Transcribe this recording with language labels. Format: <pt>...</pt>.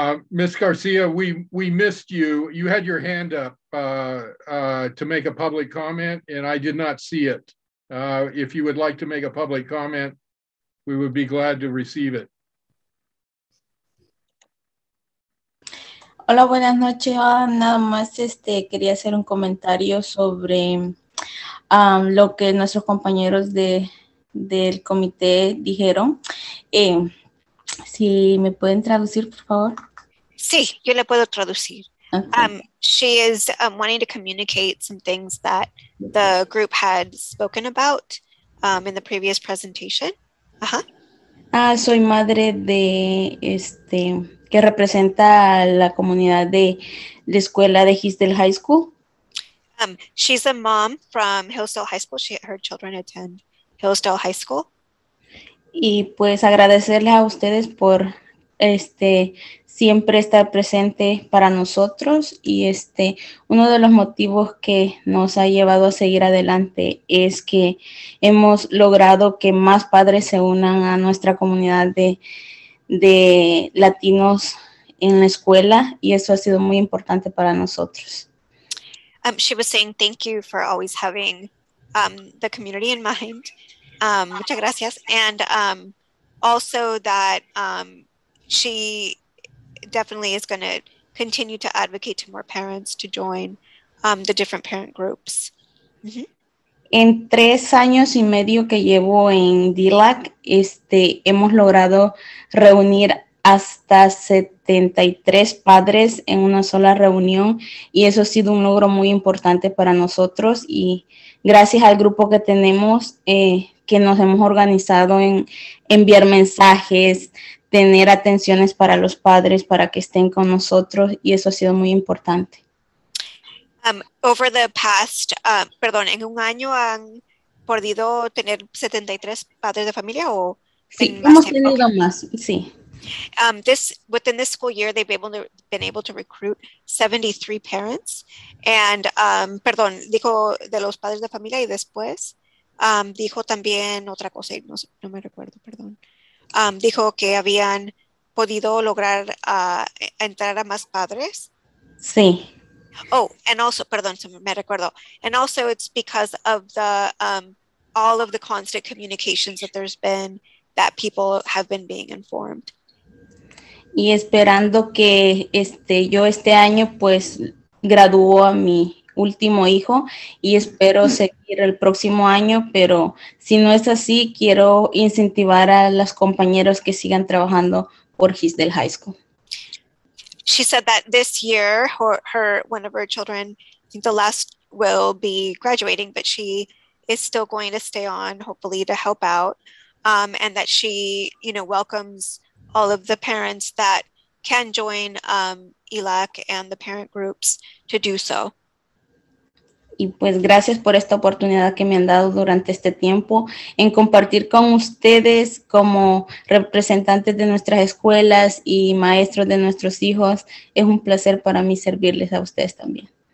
<en>Ms. Garcia, we missed you. You had your hand up to make a public comment and I did not see it. If you would like to make a public comment, we would be glad to receive it.</en> <es>Hola, buenas noches. Nada más quería hacer un comentario sobre lo que nuestros compañeros del comité dijeron. Si me pueden traducir, por favor. Sí, yo le puedo traducir. Okay.</es> <en>She is wanting to communicate some things that the group had spoken about in the previous presentation. Uh-huh.</en> <es>Soy madre de que representa a la comunidad de la escuela de Hillsdale High School.</es> <en>She's a mom from Hillsdale High School. Her children attend Hillsdale High School.</en> <es>Y pues agradecerles a ustedes por siempre estar presente para nosotros y uno de los motivos que nos ha llevado a seguir adelante es que hemos logrado que más padres se unan a nuestra comunidad de latinos en la escuela y eso ha sido muy importante para nosotros.</es> <en>She was saying thank you for always having the community in mind.</en> <es>Muchas gracias.</es> <en>And also that she definitely is going to continue to advocate to more parents to join the different parent groups. Mm-hmm.</en> <es>En 3 años y medio que llevo en DILAC, hemos logrado reunir hasta 73 padres en una sola reunión y eso ha sido un logro muy importante para nosotros y gracias al grupo que tenemos que nos hemos organizado en enviar mensajes, tener atenciones para los padres para que estén con nosotros y eso ha sido muy importante.</es> <en>Over the past,</en> <es>en un año han podido tener 73 padres de familia o sí, hemos tenido más, sí.</es> <en>Within this school year, they've been able to recruit 73 parents. And,</en> <es>dijo de los padres de familia y después, dijo también otra cosa, no me recuerdo, perdón. Dijo que habían podido lograr entrar a más padres. Sí.</es> <en>Oh, and also,</en> <es>perdón, me recuerdo.</es> <en>And also it's because of the, all of the constant communications that there's been that people have been being informed.</en> <es>Y esperando que yo este año pues graduó a mi último hijo y espero seguir el próximo año, pero si no es así, quiero incentivar a los compañeros que sigan trabajando por Hillsdale High School.</es> <en>She said that this year one of her children, I think the last will be graduating, but she is still going to stay on, hopefully to help out, and that she, welcomes all of the parents that can join ELAC and the parent groups to do so.</en> <es>Y pues gracias por esta oportunidad que me han dado durante este tiempo en compartir con ustedes como representantes de nuestras escuelas y maestros de nuestros hijos. Es un placer para mí servirles a ustedes también.</es>